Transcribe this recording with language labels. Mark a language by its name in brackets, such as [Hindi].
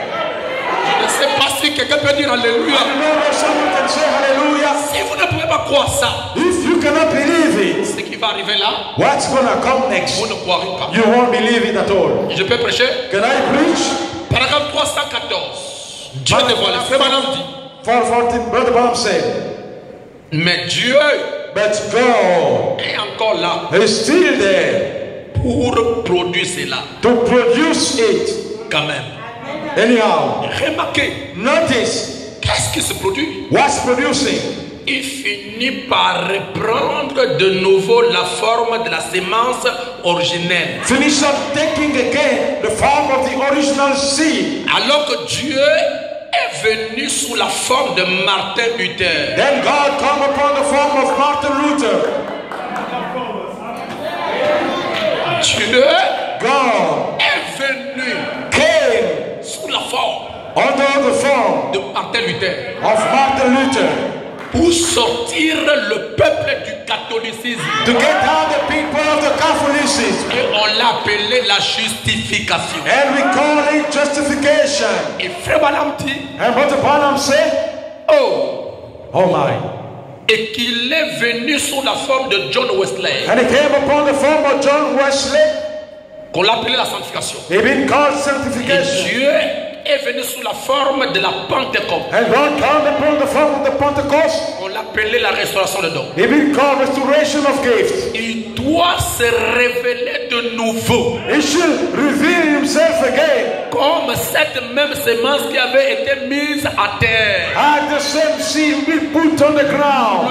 [French] Je ne sais pas si quelqu'un peut dire alléluia. [English] I don't know if someone can say hallelujah. [French] Si vous ne pouvez pas croire ça. [English] If you cannot believe it. [French] Ce qui va arriver là. [English] What's going to come next? [French] Vous ne croirez pas. [English] You won't believe it at all. [French] Je peux prêcher? [English] Can I preach? [French] Paragraphe 314. Dieu ne voit le frère Branham dit. [English] 414, Brother Branham said. [French] Mais Dieu. [English] But God. [French] Est encore là. [English] Is still there. [French] Pour produire cela. [English] To produce it. [French] Quand même. [English] Anyhow, [French] remarquez. [English] Notice. [French] Qu'est-ce qui se produit? [English] What's producing? [French] Il finit par reprendre de nouveau la forme de la semence originelle. [English] Finish up taking again the form of the original seed. [French] Alors que Dieu est venu sous la forme de Martin Luther. [English] Then God came upon the form of Martin Luther. [French] Dieu. [English] God. [French] Est venu. [English] Came. [French] Sous la forme. [English] Under the form. [French] De Martin Luther. [English] Of Martin Luther. [French] Pour sortir le peuple du catholicisme. [English] To get out the people of the Catholicism. [French] Et on l'a appelé la justification. [English] And we call it justification. [French] Et frère Branham dit. [English] And what the Branham say? Oh. Oh my. [French] Et qu'il est venu sous la forme de John Wesley. [English] And he came upon the form of John Wesley. [French] Qu'on l'a appelé la sanctification. [English] He been called sanctification. [French] Et Dieu est venu sous la forme de la Pentecôte. [English] And God came upon the form of the Pentecost. [French] On l'a appelé la restauration de dons. [English] He been called restoration of gifts. [French] Il doit se révéler de nouveau. [English] He should reveal himself again. [French] Comme cette même semence qui avait été mise à terre. [English] As the same seed be put on the ground.